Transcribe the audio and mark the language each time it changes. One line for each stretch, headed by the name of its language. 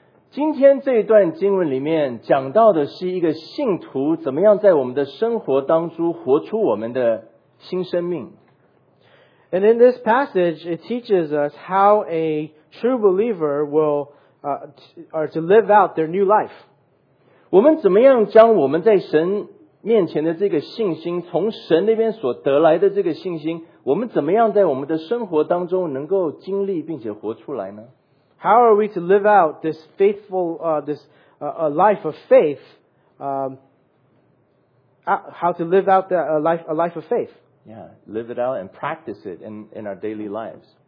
Chinese: 今天这一段经文里面讲到的是一个信徒怎么样在我们的生活当中活出我们的新生命。
English: And in this passage, it teaches us how a true believer will to live out their new life.
Chinese: 我们怎么样将我们在神面前的这个信心，从神那边所得来的这个信心，我们怎么样在我们的生活当中能够经历并且活出来呢？
English: How are we to live out this faithful, life of faith? How to live out that a life of faith? Yeah, live it out and practice it in our daily lives.